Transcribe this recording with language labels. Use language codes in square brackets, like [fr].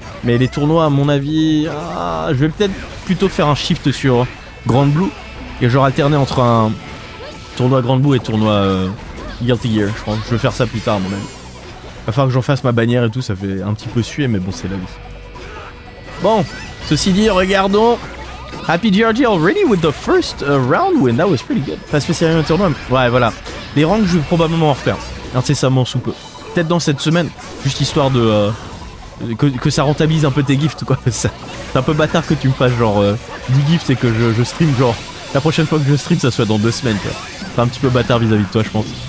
[fr] Mais les tournois, à mon avis, je vais peut-être plutôt faire un shift sur Grand Blue. Et genre alterner entre un tournoi Grand Blue et tournoi Guilty Gear, je pense. Je vais faire ça plus tard, mon ami. Va falloir que j'en fasse ma bannière et tout, ça fait un petit peu suer, mais bon, c'est la vie. Bon, ceci dit, regardons. [en] HappyGRJ already with the first round win, that was pretty good. [fr] Pas spécialement un tournoi, mais... Ouais, voilà. Les ranks, je vais probablement en refaire. Incessamment sous peu. Peut-être dans cette semaine, juste histoire de... Que ça rentabilise un peu tes gifts, quoi. C'est un peu bâtard que tu me fasses genre 10 gifts et que je stream genre... La prochaine fois que je stream, ça soit dans deux semaines, quoi. Enfin, un petit peu bâtard vis-à-vis de toi, je pense.